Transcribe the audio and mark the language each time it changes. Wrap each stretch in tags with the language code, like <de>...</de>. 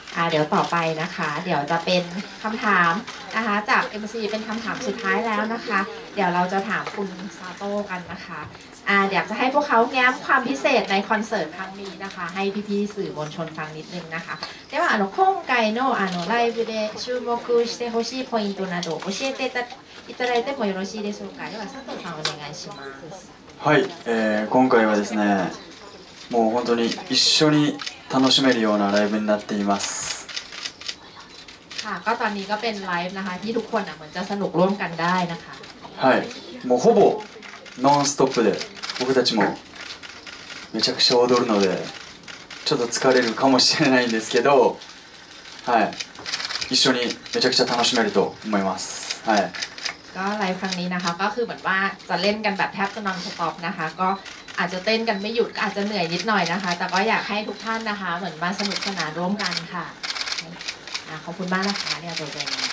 <th>เดี๋ยวต่อไปนะคะเดี๋ยวจะเป็นคำถามนะคะจาก MC เป็นคำถามสุดท้ายแล้วนะคะเดี๋ยวเราจะถามคุณซาโต้กันนะคะอยากจะให้พวกเขาแง้มความพิเศษในคอนเสิร์ตครั้งนี้นะคะให้พี่ๆสื่อมวลชนฟังนิดนึงนะคะ</th> <ja>では今回のライブで注目してほしいポイントなど教えていただいてもよろしいでしょうか。では佐藤さんお願いします。はい、今回はですね、もう本当に一緒に楽しめるようなライブになっています。</ja> <th>ค่ะก็ตอนนี้ก็เป็นไลฟ์นะคะที่ทุกคนเหมือนจะสนุกร่วมกันได้นะคะ</th> <ja>はい、もうほぼノンストップで僕たちもめちゃくちゃ踊るのでちょっと疲れるかもしれないんですけど、はい、一緒にめちゃくちゃ楽しめると思います。はい、</ja> <th>ก็ライブ ครั้งนี้นะคะก็คือเหมือนว่าจะเล่นกันแบบแทบจะนอนสต็อปนะคะก็อาจจะเต้นกันไม่หยุดก็อาจจะเหนื่อยนิดหน่อยนะคะแต่ก็อยากให้ทุกท่านนะคะเหมือนมาสนุกสนานร่วมกันค่ะขอบคุณมากนะคะเนี่ยตัวเอง</th>